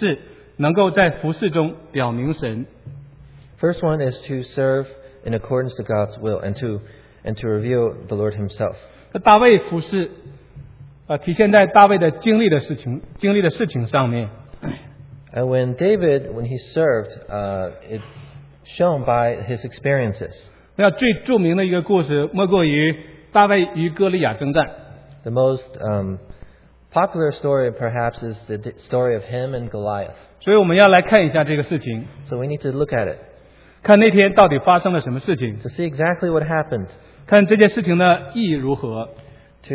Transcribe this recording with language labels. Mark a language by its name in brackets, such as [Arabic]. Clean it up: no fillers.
[Chinese] 我们看的第一点是合神心意的服侍，能够在服侍中表明神。 [English] First one is to serve in accordance to God's will and to reveal the Lord Himself. [Chinese] 大卫服侍，体现在大卫的经历的事情上面。 [English] And when David, when he served, it's shown by his experiences. [Chinese] 最著名的一个故事莫过于大卫与哥利亚征战。 [English] The most popular story perhaps is the story of him and Goliath. [Chinese] 所以我们要来看一下这个事情。 [English] So we need to look at it. [Chinese] 看那天到底发生了什么事情。 [English] To see exactly what happened. [Chinese] 看这件事情的意义如何。 [English] To